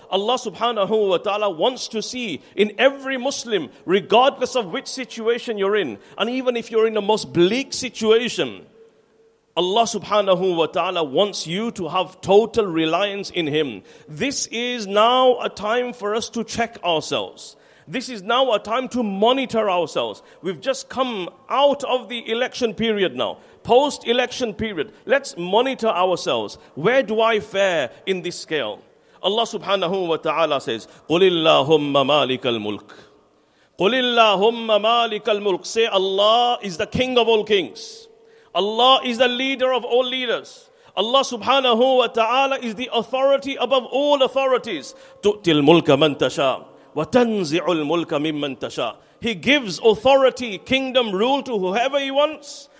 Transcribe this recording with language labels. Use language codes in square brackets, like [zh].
[en] Allah subhanahu wa ta'ala wants to see in every Muslim, regardless of which situation you're in, and even if you're in the most bleak situation, Allah subhanahu wa ta'ala wants you to have total reliance in Him. This is now a time for us to check ourselves. This is now a time to monitor ourselves. We've just come out of the election period now. Post-election period. Let's monitor ourselves. Where do I fare in this scale? Allah subhanahu wa ta'ala says, قُلِ اللَّهُمَّ مَالِكَ الْمُلْكِ قُلِ اللَّهُمَّ مَالِكَ الْمُلْكِ. Say Allah is the King of all kings. Allah is the leader of all leaders. Allah subhanahu wa ta'ala is the authority above all authorities. [ar] تُؤْتِي الْمُلْكَ مَنْ تَشَاءُ وَتَنْزِعُ الْمُلْكَ مِمَّنْ تَشَاءُ. [en] He gives authority, kingdom, rule to whoever He wants.